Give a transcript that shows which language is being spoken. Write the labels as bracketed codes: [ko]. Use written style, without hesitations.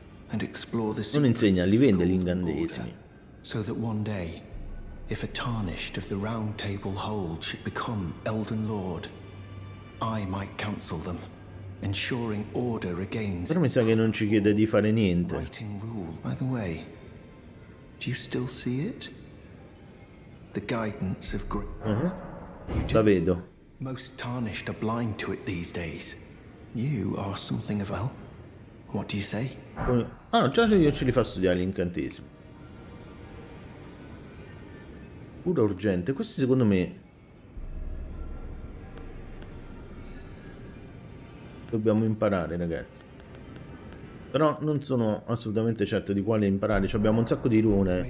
[it] Non insegna, li vende gli incantesimi. [en] So that one day, if a tarnished of the Round Table Hold should become Elden Lord, I might counsel them, ensuring order regains. [it] Però mi sa che non ci chiede di fare niente. [en] By the way, do you still see it? The guidance of great. [it] La vedo. [en] Most tarnished are blind to it these days. You are something of well. What do you say? [it] Ah, non c'è, io ce li fa studiare gli incantesimi. Cura urgente. Questi secondo me dobbiamo imparare, ragazzi. Però non sono assolutamente certo di quale imparare. Ci abbiamo un sacco di rune.